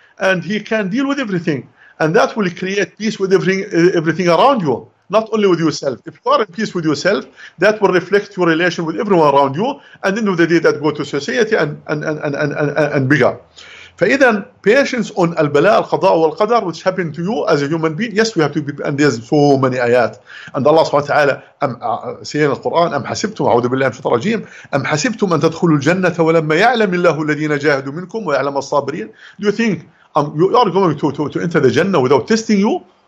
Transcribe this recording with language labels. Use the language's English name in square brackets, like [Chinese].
[English] And he can deal with everything. And that will create peace with everything around you, not only with yourself. If you are in peace with yourself, that will reflect your relation with everyone around you, and then with the day that go to society and bigger. فَإِذَنْ patience on al-bala al-qada wal-qadar, which happened to you as a human being, yes, we have to be, and there's so many ayat. And Allah subhanahu wa ta'ala, saying in the Quran, [Arabic] أَمْ حَسِبْتُمْ عَوْدُ بِاللَّهِ مِنْ شَطَرَ رَجِيمٍ أَمْ حَسِبْتُمْ أَنْ تَدْخُلُوا الْجَنَّةَ وَلَمَّا يَعْلَمِ اللَّهُ الَّذِينَ جَاهَدُوا مِنْكُمْ وَيَعْلَمَ الصَّابِرِينَ. [English] Do you think you are going to enter the Jannah without testing you?